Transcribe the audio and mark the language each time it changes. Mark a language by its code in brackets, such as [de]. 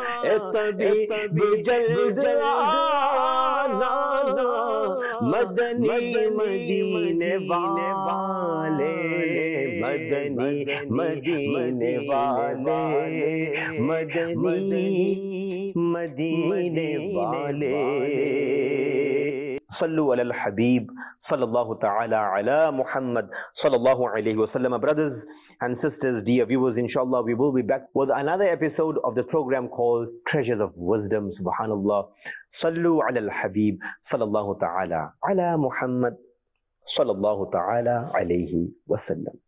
[ur] اے طبیب جلد آنا مدنی مدینے والے مدنی مدینے والے مدنی مدینے والے [ar] صلو علی الحبیب صلی اللہ تعالی علی محمد صلی اللہ علیہ وسلم. [en] Brothers and sisters, dear viewers, انشاءاللہ we will be back with another episode of the programme call treasures of wisdom. [ar] سبحان اللہ، صلو علی الحبیب صلی اللہ تعالی علی محمد صلی اللہ تعالی علیہ وسلم.